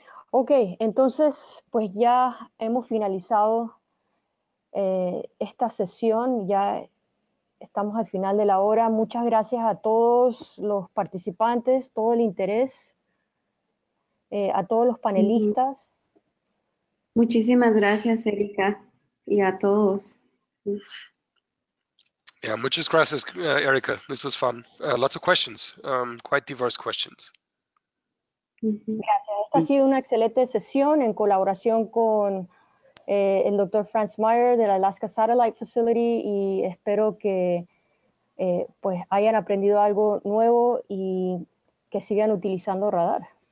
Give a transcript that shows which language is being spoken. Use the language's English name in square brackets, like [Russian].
[Spanish] Ok, entonces pues ya hemos finalizado esta sesión, ya estamos al final de la hora. Muchas gracias a todos los participantes, todo el interés, a todos los panelistas. Muchísimas gracias, Erika, y a todos. [English] Yeah, [Spanish] muchas gracias, [English] Erika. This was fun. Lots of questions, quite diverse questions. [Spanish] Gracias. Esta ha sido una excelente sesión en colaboración con el Dr. Franz Meyer de la Alaska Satellite Facility y espero que pues hayan aprendido algo nuevo y que sigan utilizando radar.